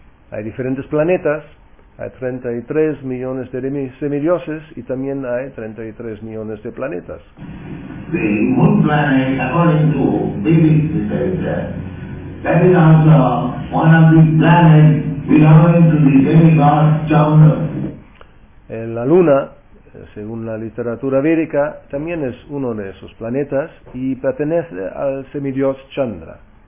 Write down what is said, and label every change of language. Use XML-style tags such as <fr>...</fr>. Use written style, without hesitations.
<es>Hay diferentes planetas. Hay 33 millones de semidioses y también hay 33 millones de planetas.</es> <en>The moon planet, according to Vedic literature, that is also one of the planets belonging to the demigod Chandra.</en> <es>La luna, según la literatura védica, también es uno de esos planetas y pertenece al semidios Chandra.</es>